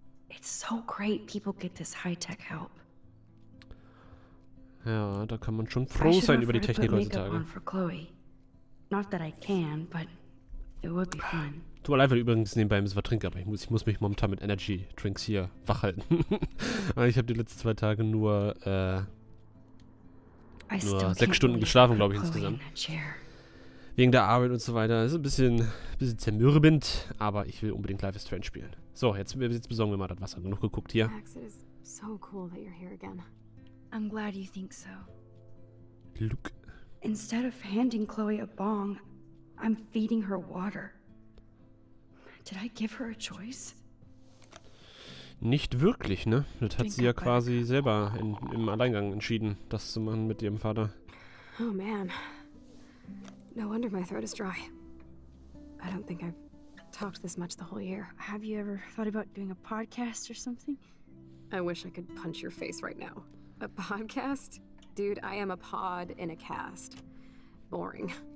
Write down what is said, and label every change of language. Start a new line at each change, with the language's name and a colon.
English: It's so great people get this high-tech help.
German: Ja, da kann man schon froh sein über die Technik heutzutage.
English: Not that I can, but it would be fun.
German: Tut mir leid, weil übrigens nebenbei ein bisschen was trinke, aber ich muss mich momentan mit Energy Drinks hier wach halten. Ich habe die letzten zwei Tage nur 6 Stunden geschlafen, glaube ich, insgesamt. Wegen der Arbeit und so weiter. Ist ein bisschen zermürbend, aber ich will unbedingt Life is Strange spielen. So, jetzt besorgen wir mal das Wasser. Genug geguckt hier.
English: Max, it is so cool that you're here again. I'm glad you think so. Look. Instead of handing Chloe a bong, I'm feeding her water. Did I give her a choice?
German: Nicht wirklich, ne? Das hat sie ja quasi selber im Alleingang entschieden, das zu machen mit ihrem Vater.
English: Oh man. No wonder my throat is dry. I don't think I've talked this much the whole year. Have you ever thought about doing a podcast or something? I wish I could punch your face right now. A podcast? Dude, I am a pod in a cast. Boring.